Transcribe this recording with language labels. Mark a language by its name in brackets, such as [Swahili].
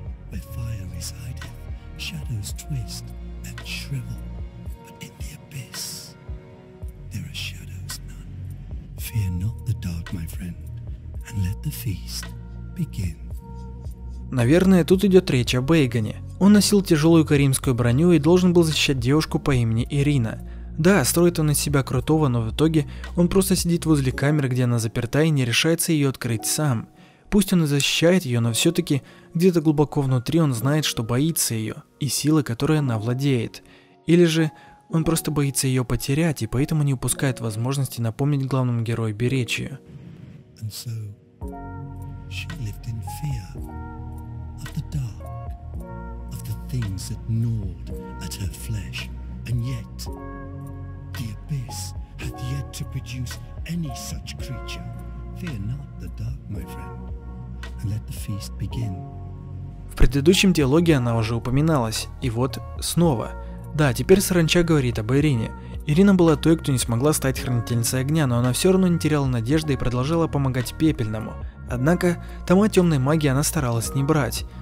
[English] Where fire resided, shadows twist and shrivel, but in the abyss, there are shadows none. Fear not the dark, my friend, and let the feast begin. [Russian] Наверное, тут идет речь о Бейгане. Он носил тяжелую каримскую броню и должен был защищать девушку по имени Ирина. Да, строит он из себя крутого, но в итоге он просто сидит возле камеры, где она заперта и не решается ее открыть сам. Пусть он и защищает ее, но все-таки где-то глубоко внутри он знает, что боится ее и силы, которой она владеет. Или же он просто боится ее потерять и поэтому не упускает возможности напомнить главному герою беречь ее. [English] And so she lived in fear of the dark, of the things that gnawed at her flesh, and yet the abyss hath yet to produce any such creature. Fear not the dark, my friend. Let the feast begin. [Russian] В предыдущем диалоге она уже упоминалась, и вот снова. Да, теперь Саранча говорит об Ирине. Ирина была той, кто не смогла стать хранительницей огня, но она все равно не теряла надежды и продолжала помогать Пепельному. Однако, тома темной магии она старалась не брать.